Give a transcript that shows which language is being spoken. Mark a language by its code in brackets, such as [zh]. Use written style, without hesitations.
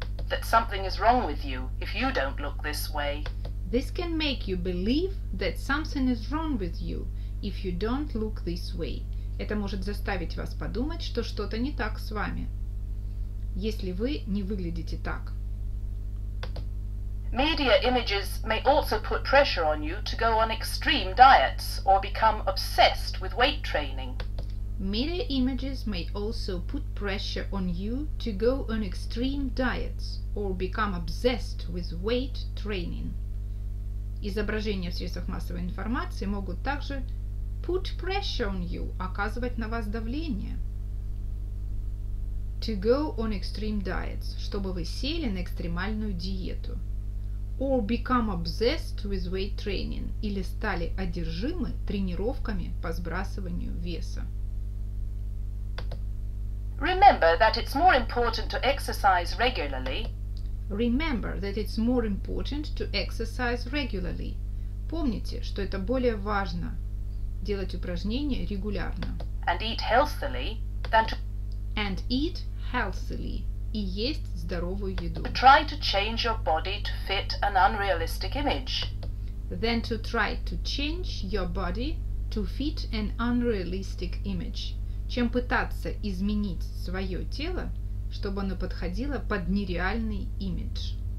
[en] That something is wrong with you if you don't look this way. This can make you believe that something is wrong with you if you don't look this way. [ru] Это может заставить вас подумать, что что-то не так с вами, если вы не выглядите так. [en] Media images may also put pressure on you to go on extreme diets or become obsessed with weight training. Media images may also put pressure on you to go on extreme diets or become obsessed with weight training. [ru] Изображения в средствах массовой информации могут также [en] put pressure on you, [ru] оказывать на вас давление. [en] To go on extreme diets, [ru] чтобы вы сели на экстремальную диету. [en] Or become obsessed with weight training, [ru] или стали одержимы тренировками по сбрасыванию веса. [en] Remember that it's more important to exercise regularly. Remember that it's more important to exercise regularly. [ru] Помните, что это более важно делать упражнения регулярно. [en] And eat healthily than to... And eat healthily. [ru] И есть здоровую еду. [en] But try to change your body to fit an unrealistic image. Then to try to change your body to fit an unrealistic image. [ru] Чем пытаться изменить свое тело, чтобы оно подходило под нереальный имидж.